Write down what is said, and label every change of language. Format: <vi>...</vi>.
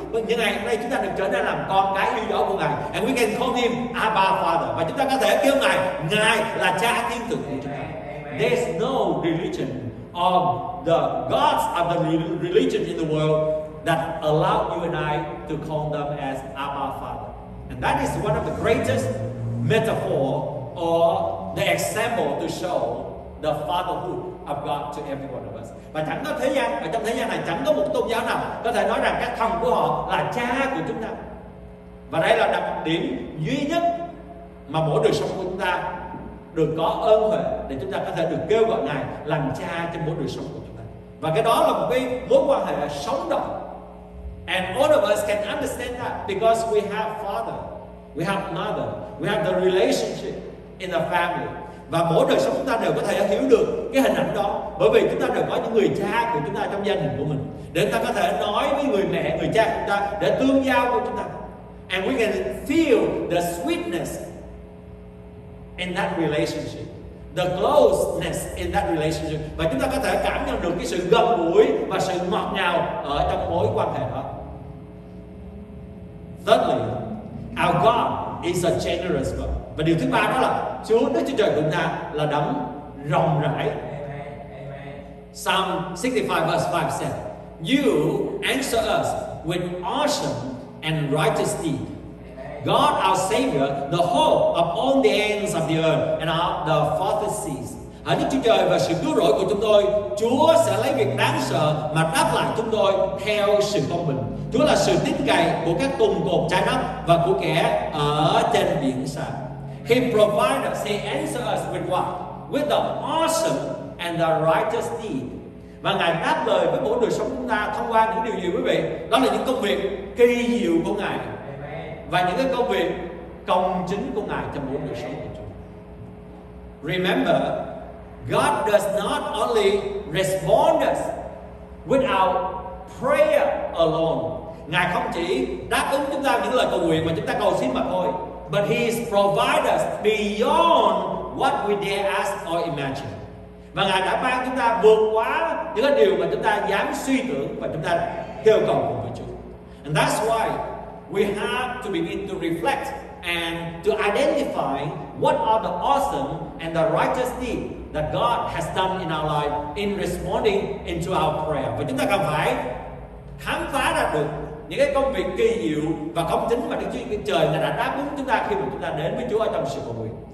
<vi>Nhưng ngày hôm nay chúng ta được trở nên làm con cái yêu dấu của Ngài.</vi> <en>And we can call Him Abba Father.</en> <vi>Và chúng ta có thể kêu Ngài, Ngài là Cha thiên thượng của chúng ta.</vi> <en>There's no religion of the gods of the religion in the world that allow you and I to call them as Abba Father. And that is one of the greatest metaphor or the example to show the fatherhood of God to every one of us.</en> <vi>Và chẳng có thế gian, ở trong thế gian này chẳng có một tôn giáo nào có thể nói rằng các thần của họ là cha của chúng ta. Và đây là đặc điểm duy nhất mà mỗi đời sống của chúng ta được có ơn huệ để chúng ta có thể được kêu gọi Ngài làm cha trên mỗi đời sống của chúng ta. Và cái đó là một cái mối quan hệ sống động.</vi> <en>And all of us can understand that because we have father, we have mother, we have the relationship in the family.</en> <vi>Và mỗi đời sống chúng ta đều có thể hiểu được cái hình ảnh đó, bởi vì chúng ta đều có những người cha của chúng ta trong gia đình của mình, để chúng ta có thể nói với người mẹ, người cha của chúng ta, để tương giao với chúng ta.</vi> <en>And we can feel the sweetness in that relationship, the closeness in that relationship.</en> <vi>Và chúng ta có thể cảm nhận được cái sự gần gũi và sự ngọt ngào ở trong mối quan hệ đó.</vi> <en>Thirdly, our God is a generous God.</en> <vi>Và điều thứ ba đó là Chúa Đức Chúa Trời của chúng ta là đấng rộng rãi.</vi> <en>Amen. Psalm 65 verse 5 says, "You answer us with awesome and righteous deed. God our Savior, the hope of all the ends of the earth and of the farthest seas."</en> <vi>Hỡi Đức Chúa Trời và sự cứu rỗi của chúng tôi, Chúa sẽ lấy việc đáng sợ mà đáp lại chúng tôi theo sự công bình. Chúa là sự tin cậy của các cùng cột trái đất và của kẻ ở trên biển xa.</vi> <en>He provides us, He answers us with what? With the awesome and the righteous deed.</en> <vi>Và Ngài đáp lời với mỗi đời sống chúng ta thông qua những điều gì quý vị? Đó là những công việc kỳ diệu của Ngài. Và những cái công việc công chính của Ngài cho mỗi đời sống của chúng ta.</vi> <en>Remember, God does not only respond us with our prayer alone.</en> <vi>Ngài không chỉ đáp ứng chúng ta những lời cầu nguyện mà chúng ta cầu xin mà thôi.</vi> <en>But He is provided us beyond what we dare ask or imagine.</en> <vi>Và Ngài đã ban chúng ta vượt quá những cái điều mà chúng ta dám suy tưởng và chúng ta kêu cầu cùng với Chúa.</vi> <en>And that's why we have to begin to reflect and to identify what are the awesome and the righteous deeds that God has done in our life in responding into our prayer.</en> <vi>Và chúng ta cần phải khám phá ra được những cái công việc kỳ diệu và công chính mà Đức Chúa Trời đã đáp ứng chúng ta khi mà chúng ta đến với Chúa trong sự cầu nguyện.</vi>